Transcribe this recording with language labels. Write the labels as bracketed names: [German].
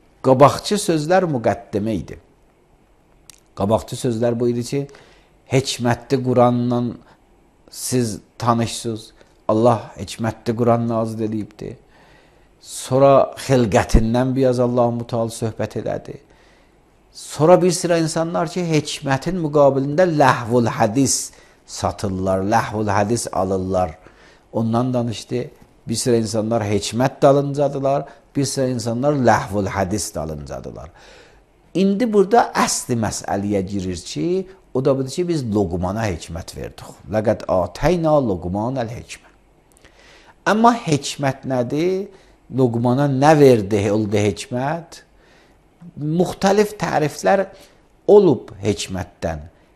[Azerbaijani] Qabaqçı sözlər müqəddimə idi. Qabaqçı sözlər buydu ki, hikmətli Quranla siz tanışsınız. Allah hikmətli Quran nazil edibdir. Sonra xilqətindən biraz Allah-u Teala söhbət elədi. Sonra bir sıra insanlar ki, hikmətin müqabilində ləhvul hədis satırlar, ləhvul hədis alırlar. Ondan danışdı, bir sıra insanlar hikmət dalıncadılar, bir sıra insanlar ləhvul hədis dalıncadılar. İndi burada əsli məsəliyə girir ki, o da budur ki, biz Loqmana hikmət verdik. [Arabic] Ləqəd ateyna Loqman əl-hikmət. [Azerbaijani] Amma hikmət nədir? Loqmana nə verdi, oldu hikmət? Müxtəlif təriflər olub hikmətdən.